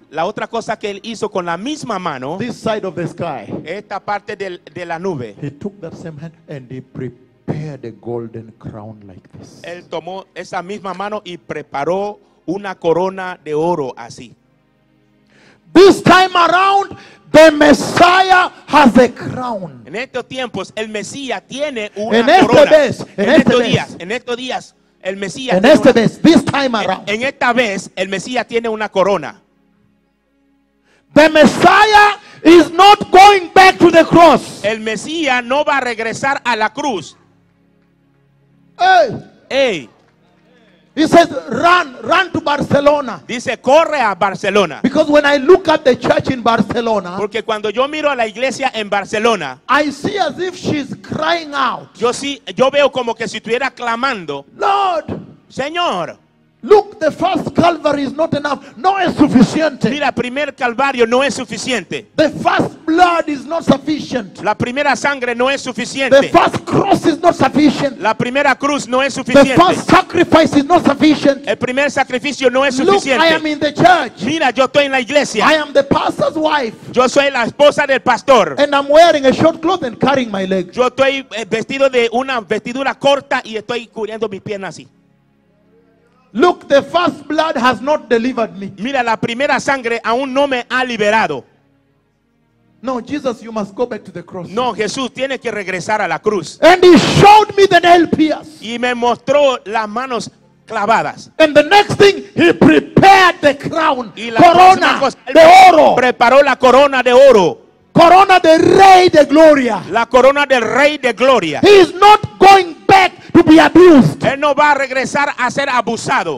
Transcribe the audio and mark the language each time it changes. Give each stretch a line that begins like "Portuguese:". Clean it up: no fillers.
Spanish: La otra cosa que él hizo con la misma mano.
English: This side of the sky.
Spanish: Esta parte de la nube.
English: He took that same hand and he prepared. The golden crown like this.
Spanish: Él tomó esa misma mano y preparó una corona de oro así.
English: This time around, the Messiah has a crown.
Spanish: En estos tiempos, el Mesías tiene una en este corona. Vez, en este estos días, en estos días, el Mesías. En tiene este una, vez,
English: this time around.
Spanish: En esta vez, el Mesías tiene una corona.
English: The Messiah is not going back to the cross.
Spanish: El Mesías no va a regresar a la cruz.
English: Hey. He says, run to Barcelona.
Spanish: Dice, corre a Barcelona.
English: Because when I look at the church in Barcelona,
Spanish: porque cuando yo miro a la iglesia en Barcelona,
English: I see as if she's crying out.
Spanish: Yo veo como que si estuviera clamando.
English: Lord,
Spanish: Señor.
English: Look, the first Calvary is not enough.
Spanish: No es suficiente. Mira, primer Calvario no es suficiente.
English: The first blood is not sufficient.
Spanish: La primera sangre no es suficiente.
English: The first cross is not sufficient.
Spanish: La primera cruz no es suficiente.
English: The first sacrifice is not sufficient.
Spanish: El primer sacrificio no es suficiente.
English: Look, I am in the church.
Spanish: Mira, yo estoy en la iglesia.
English: I am the pastor's wife.
Spanish: Yo soy la esposa del pastor.
English: And I'm wearing a short cloth and carrying my leg.
Spanish: Yo estoy vestido de una vestidura corta y estoy cubriendo mis piernas así.
English: Look, the first blood has not delivered me.
Spanish: Mira, la primera sangre aún no me ha liberado.
English: No, Jesus, you must go back to the cross.
Spanish: No, Jesús tiene que regresar a la cruz.
English: And he showed me the nail pierce.
Spanish: Y me mostró las manos clavadas.
English: And the next thing, he prepared the crown.
Spanish: Y la corona cosa, de oro. Preparó la corona de oro. Corona del rey de gloria. La corona del rey de gloria.
English: He is not going back to be abused.
Spanish: Él no va a regresar a ser abusado.